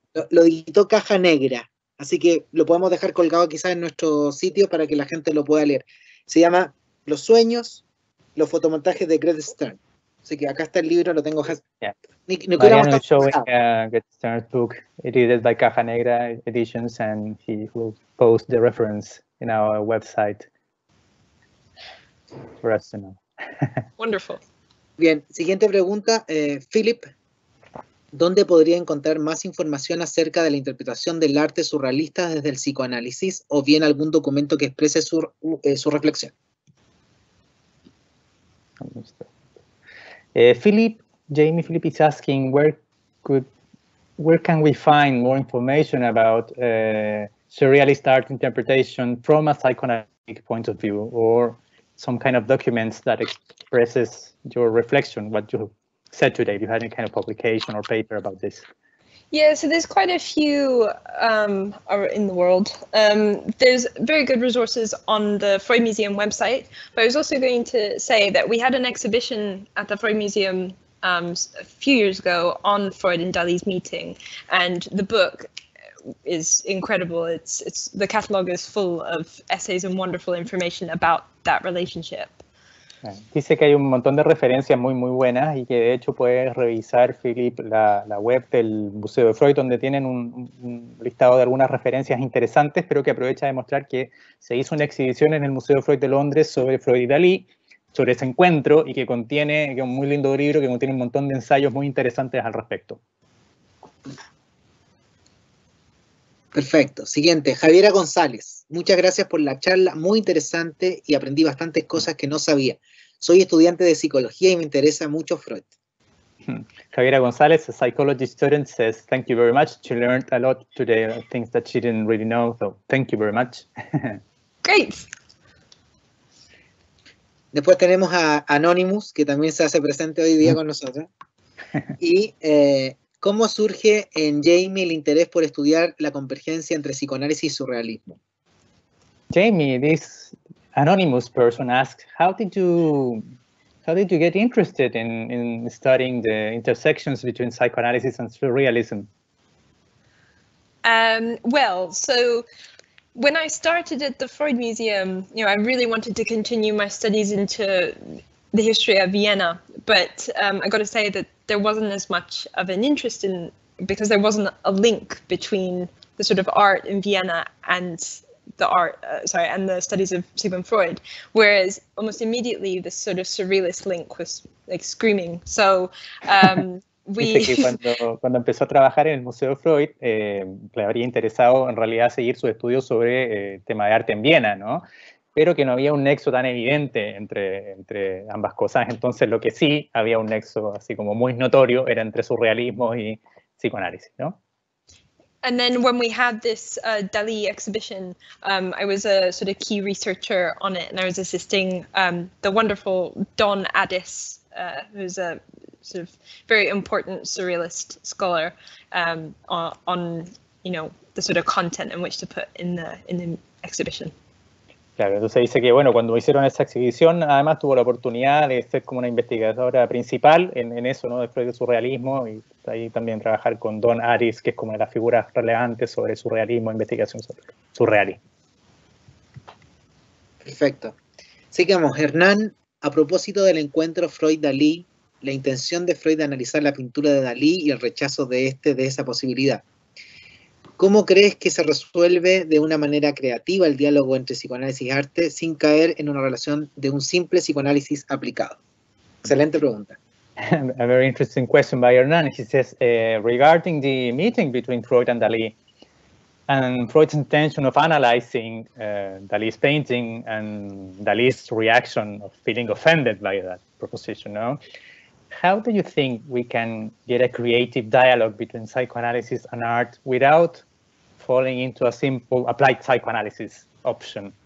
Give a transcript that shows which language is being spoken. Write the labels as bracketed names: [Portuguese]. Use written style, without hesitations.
[Spanish] Lo editó Caja Negra, así que lo podemos dejar colgado quizás en nuestro sitio para que la gente lo pueda leer. Se llama Los Sueños, los fotomontajes de Gret Stern. Así que acá está el libro, lo tengo. [English] Mariano is showing Gret Stern's book edited by Caja Negra Editions, and he will post the reference in our website for us to know. Wonderful. [Spanish] Bien, siguiente pregunta, Philip. ¿Dónde podría encontrar más información acerca de la interpretación del arte surrealista desde el psicoanálisis o bien algún documento que exprese su reflexión? [English] Jamie Philip is asking where can we find more information about surrealist art interpretation from a psychoanalytic point of view or some kind of documents that expresses your reflection, what you have said today, if you had any kind of publication or paper about this. Yeah, so there's quite a few are in the world. There's very good resources on the Freud Museum website, but I was also going to say that we had an exhibition at the Freud Museum a few years ago on Freud and Dali's meeting, and the book is incredible. It's the catalogue is full of essays and wonderful information about that relationship. [Spanish] Dice que hay un montón de referencias muy, muy buenas y que de hecho puedes revisar, Philip, la web del Museo de Freud, donde tienen un listado de algunas referencias interesantes, pero que aprovecha de mostrar que se hizo una exhibición en el Museo de Freud de Londres sobre Freud y Dalí, sobre ese encuentro, y que contiene, que es un muy lindo libro, que contiene un montón de ensayos muy interesantes al respecto. Perfecto. Siguiente, Javiera González. Muchas gracias por la charla, muy interesante y aprendí bastantes cosas que no sabía. Soy estudiante de psicología y me interesa mucho Freud. [English] Javiera González, a psychology student, says thank you very much. She learned a lot today, things that she didn't really know, so thank you very much. Great. [Spanish] Después tenemos a Anonymous, que también se hace presente hoy día con nosotros. Y ¿cómo surge en Jamie el interés por estudiar la convergencia entre psicoanálisis y surrealismo? [English] Jamie, this anonymous person asks, how did you How did you get interested in studying the intersections between psychoanalysis and surrealism? So when I started at the Freud Museum, you know, I really wanted to continue my studies into the history of Vienna, but I got to say that there wasn't as much of an interest in, because there wasn't a link between the sort of art in Vienna and the art, and the studies of Sigmund Freud, whereas almost immediately this sort of surrealist link was like screaming. So [Spanish] Dice que cuando empezó a trabajar en el Museo Freud, le habría interesado en realidad seguir su estudio sobre tema de arte en Viena, ¿no? Pero que no había un nexo tan evidente entre ambas cosas. Entonces, lo que sí había un nexo así como muy notorio era entre surrealismo y psicoanálisis, ¿no? [English] And then when we had this Dalí exhibition, I was a sort of key researcher on it, and I was assisting the wonderful Don Addis, who's a sort of very important surrealist scholar, on you know the sort of content in which to put in the exhibition. [Spanish] Claro, entonces dice que bueno, cuando hicieron esa exhibición, además tuvo la oportunidad de ser como una investigadora principal en eso, ¿no? Después del surrealismo, y ahí también trabajar con Don Addis, que es como la figura relevante sobre surrealismo, investigación sobre surrealismo. Perfecto. Sigamos, Hernán, a propósito del encuentro Freud-Dalí, la intención de Freud de analizar la pintura de Dalí y el rechazo de este de esa posibilidad. ¿Cómo crees que se resuelve de una manera creativa el diálogo entre psicoanálisis y arte sin caer en una relación de un simple psicoanálisis aplicado? Excelente pregunta. [English] A very interesting question by Hernán. He says, regarding the meeting between Freud and Dalí and Freud's intention of analyzing Dalí's painting and Dalí's reaction of feeling offended by that proposition, no? How do you think we can get a creative dialogue between psychoanalysis and art without falling into a simple applied psychoanalysis option?